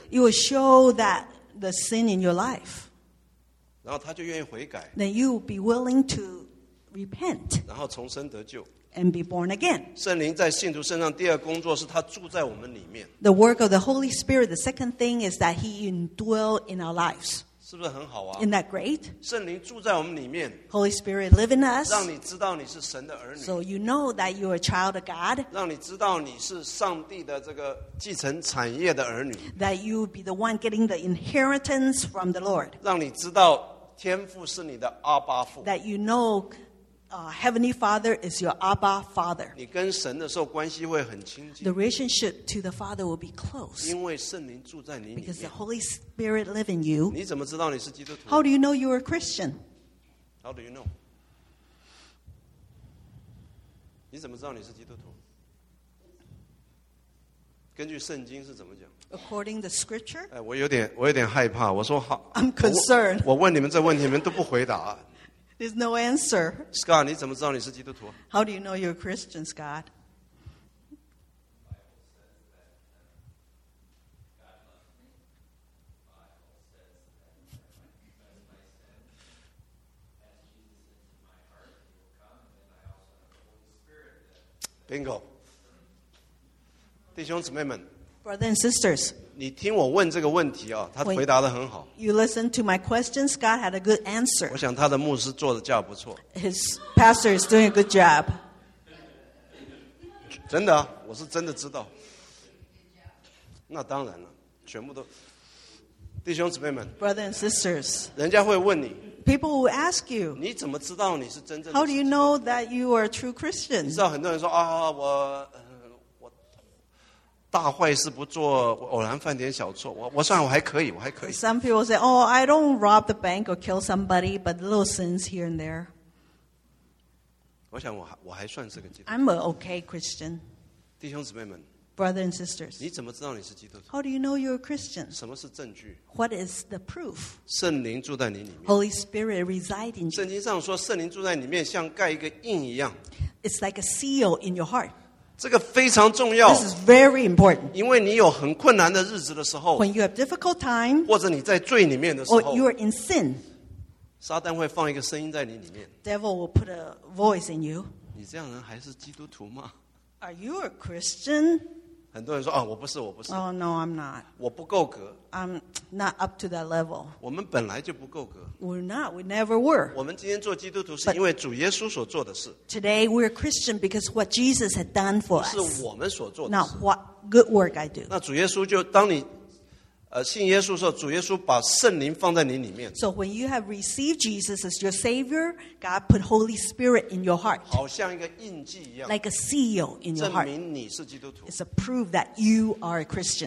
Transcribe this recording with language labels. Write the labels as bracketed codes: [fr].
[en] You will show that the sin in your life. [zh] 然后他就愿意悔改。 [en] Then you will be willing to repent. [zh] 然后重生得救。 [en] And be born again. [zh] 圣灵在信徒身上第二工作是他住在我们里面。 [en] The work of the Holy Spirit, the second thing is that he indwells in our lives. [zh] 是不是很好啊? [en] Isn't that great? [zh] 圣灵住在我们里面。 [en] Holy Spirit live in us. [zh] 让你知道你是神的儿女。 [en] So you know that you are a child of God. [zh] 让你知道你是上帝的这个继承产业的儿女。 [en] That you be the one getting the inheritance from the Lord. [zh] 让你知道天父是你的阿爸父。 [en] That you know Heavenly Father is your Abba Father. [zh] 你跟神的时候关系会很亲近。 [en] The relationship to the Father will be close. [zh] 因为圣灵住在你里面。 [en] Because the Holy Spirit lives in you. [zh] 你怎么知道你是基督徒? [en] How do you know you are a Christian? How do you know? [zh] 你怎么知道你是基督徒? 根据圣经是怎么讲? [en] According to the scripture? [zh] 哎，我有点害怕。我说好。 [en] I'm concerned. [zh] 我问你们这问题，你们都不回答。 [en] There's no answer. [zh] Scott, 你怎么知道你是基督徒? [en] How do you know you're a Christian, Scott? [zh] Bingo. 弟兄姊妹们 [en] Brothers and sisters. [zh] 你听我问这个问题啊，他回答得很好。 [en] You listen to my question, Scott had a good answer. [zh] 我想他的牧师做的教不错。 [en] His pastor is doing a good job. [zh] 真的啊，我是真的知道。那当然了，全部都，弟兄姊妹们。 [en] Brothers and sisters. [zh] 人家会问你。 [en] People will ask you. [zh] 你怎么知道你是真正？ [en] How do you know that you are a true Christian? [zh] 你知道很多人说啊，我。大坏事不做，偶然犯点小错，我算我还可以，我还可以。 [en] Some people say, "Oh, I don't rob the bank or kill somebody, but little sins here and there." [zh] 我想我还算是个基督徒。 [en] I'm an okay Christian. [zh] 弟兄姊妹们 [en] ，Brothers and sisters， [zh] 你怎么知道你是基督徒 [en] ？How do you know you're a Christian？ [zh] 什么是证据 [en] ？What is the proof？ [zh] 圣灵住在你里面。 [en] Holy Spirit reside in you. [zh] 圣经上说，圣灵住在里面，像盖一个印一样。 [en] It's like a seal in your heart. [zh] 这个非常重要 [en] This is very important. [zh] 因为你有很困难的日子的时候 [en] When you have difficult time, [zh] 或者你在罪里面的时候 [en] or you are in sin, [zh] 撒旦会放一个声音在你里面 [en] Devil will put a voice in you. [zh] 你这样人还是基督徒吗 [en] Are you a Christian? [zh] 很多人说、啊、我不是我不是 [en] Oh no, I'm not. [zh] 我不够格 [en] I'm not up to that level. [zh] 我们本来就不够格 [en] We're not, we never were. [zh] 我们今天做基督徒是因为主耶稣所做的事 [en] Today we're Christian because what Jesus had done for us. [zh] 不是我们所做的事 [en] Not what good work I do. [zh] 那主耶稣就当你信耶稣的时候主耶稣把圣灵放在你里面 [en] So when you have received Jesus as your Savior God put Holy Spirit in your heart [zh] 好像一个印记一样 [en] Like a seal in your heart [zh] 证明你是基督徒 [en] It's a proof that you are a Christian